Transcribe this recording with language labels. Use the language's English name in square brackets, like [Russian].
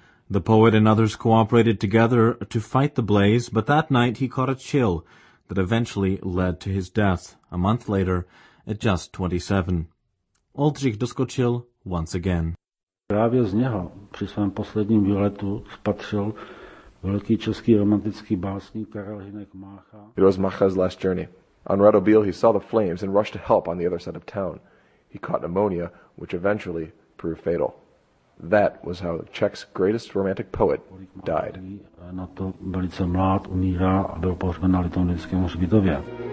[English] The poet and others cooperated together to fight the blaze, but that night he caught a chill that eventually led to his death, a month later, at just 27. Oldřich doskočil once again. [Czech] Právě z něho při svém posledním výletu spatřil velký český romantický básník Karel Hynek Mácha. [English] It was Mácha's last journey. On Radobil he saw the flames and rushed to help on the other side of town. He caught pneumonia, which eventually proved fatal. That was how the Czech's greatest romantic poet died. [Czech] Na to velice mlád umírá a byl pohřben na litoměřickém hřbitově.